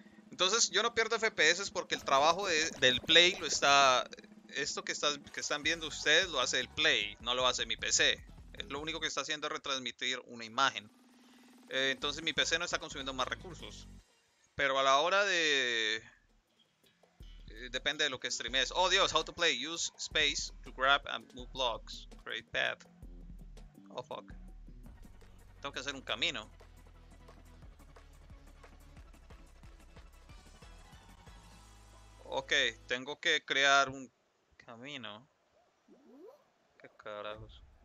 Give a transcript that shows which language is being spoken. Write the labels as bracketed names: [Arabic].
[Spanish] Entonces, yo no pierdo FPS porque el trabajo del Play lo está. Esto que están viendo ustedes lo hace el Play, no lo hace mi PC. Lo único que está haciendo es retransmitir una imagen. Entonces mi PC no está consumiendo más recursos. Pero a la hora de depende de lo que streames. Oh Dios, [English] how to play. Use space to grab and move blocks. Create path. Oh fuck. [Spanish] Tengo que hacer un camino. Ok, tengo que crear un camino. ¿Qué carajos?